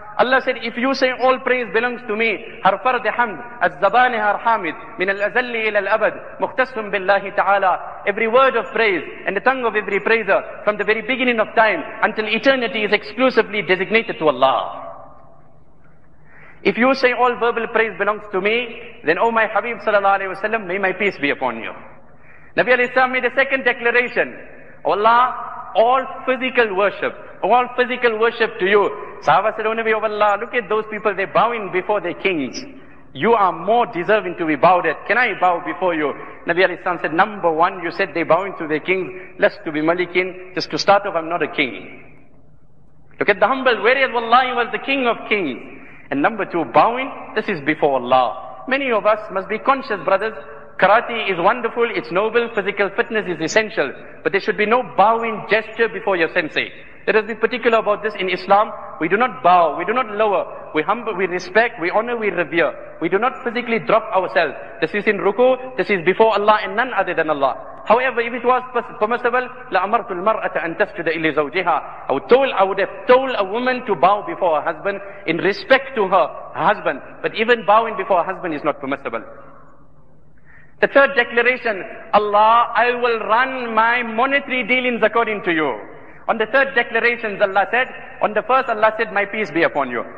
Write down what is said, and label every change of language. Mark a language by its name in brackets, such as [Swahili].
[English] Allah said, if you say all praise belongs to me, [Persian] هَرْ فَرْدِ حَمْدِ أَزَّبَانِ هَرْ حَامِدِ مِنَ الْأَزَلِّ إِلَى الْأَبَدِ مُخْتَسٌ بِاللَّهِ تَعَالَى. [English] Every word of praise and the tongue of every praiser from the very beginning of time until eternity is exclusively designated to Allah. If you say all verbal praise belongs to me, then O my Habib sallallahu alayhi wa sallam, may my peace be upon you. Nabi alayhi salam made a second declaration. Allah, all physical worship to you. Sahaba said, O Nabi of Allah, look at those people, they're bowing before their kings. You are more deserving to be bowed at. Can I bow before you? Nabi alayhi salam said, number one, you said they're bowing to their kings. Lest to be malikin, just to start off, I'm not a king. Look at the humble, whereas Wallahi was the king of kings. And number two, bowing, this is before Allah. Many of us must be conscious, brothers. Karate is wonderful, it's noble, physical fitness is essential. But there should be no bowing gesture before your sensei. Let us be particular about this. In Islam, we do not bow, we do not lower. We humble, we respect, we honor, we revere. We do not physically drop ourselves. This is in ruku, this is before Allah and none other than Allah. However, if it was permissible, [Arabic] لَأَمَرْتُ الْمَرْأَةَ أَن تَسْجُدَ إِلِّي زَوْجِهَا. [English] I would have told a woman to bow before her husband in respect to her husband. But even bowing before her husband is not permissible. The third declaration, Allah, I will run my monetary dealings according to you. On the third declaration, Allah said, on the first, Allah said, my peace be upon you.